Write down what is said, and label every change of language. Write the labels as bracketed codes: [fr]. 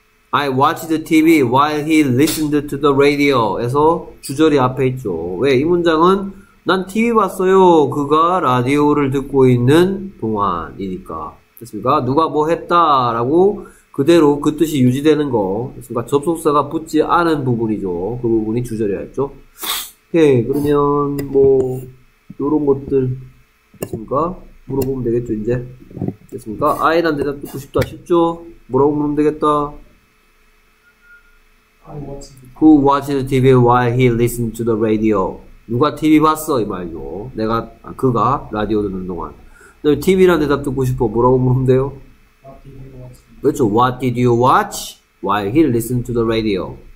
[en] I watched TV while he listened to the radio. [ko] 에서 주저리 앞에 있죠. 왜? 이 문장은 난 TV 봤어요. 그가 라디오를 듣고 있는 동안이니까. 됐습니까? 누가 뭐 했다라고 그대로 그 뜻이 유지되는 거. 그러니까 접속사가 붙지 않은 부분이죠. 그 부분이 주절이었죠. 오케이. 그러면 뭐 요런 것들 됐습니까? 물어보면 되겠죠, 이제. 됐습니까? 아예 난 대답 듣고 싶다 싶죠? 뭐라고 물으면 되겠다. [en] I watched the Who watched TV while he listened to the radio? [ko] 누가 TV 봤어? 이 말이고. 내가, 아, 그가 라디오 듣는 동안. TV란 대답 듣고 싶어. 뭐라고 물으면 돼요? [en] TV [ko] 그렇죠. [en] What did you watch while he listened to the radio?